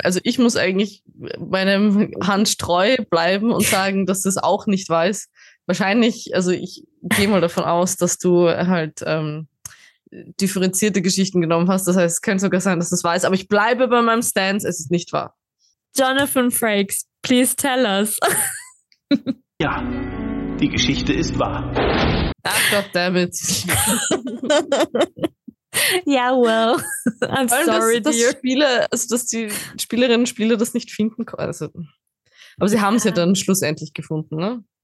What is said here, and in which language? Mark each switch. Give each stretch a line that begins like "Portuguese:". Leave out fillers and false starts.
German: Also ich muss eigentlich meinem Hand treu bleiben und sagen, dass das auch nicht weiß. Wahrscheinlich, also ich gehe mal davon aus, dass du halt differenzierte Geschichten genommen hast. Das heißt, es könnte sogar sein, dass du es weißt. Aber ich bleibe bei meinem Stance, es ist nicht wahr.
English: Jonathan Frakes, please tell us.
German: Ja, die Geschichte ist wahr.
English: Ach, God damn it. Ja, well, I'm sorry,
German: dass die Spielerinnen und Spieler das nicht finden konnten. Also, aber sie haben es ja dann schlussendlich gefunden, ne?